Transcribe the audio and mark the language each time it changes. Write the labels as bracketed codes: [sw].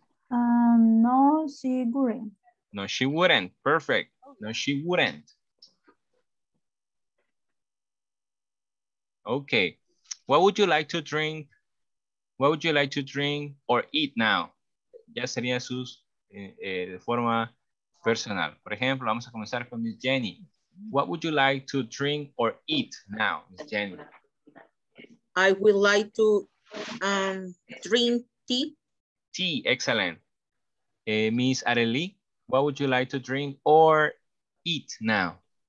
[en] No, she wouldn't. No, she wouldn't. Perfect. No, she wouldn't. Okay. What would you like to drink? What would you like to drink or eat now? [es] Ya sería sus de forma personal. Por ejemplo, vamos a comenzar con Miss Jenny. [en] What would you like to drink or eat now, Miss Jenny? I would like to drink tea. Tea, excellent. Miss Arely, what would you like to drink or eat now?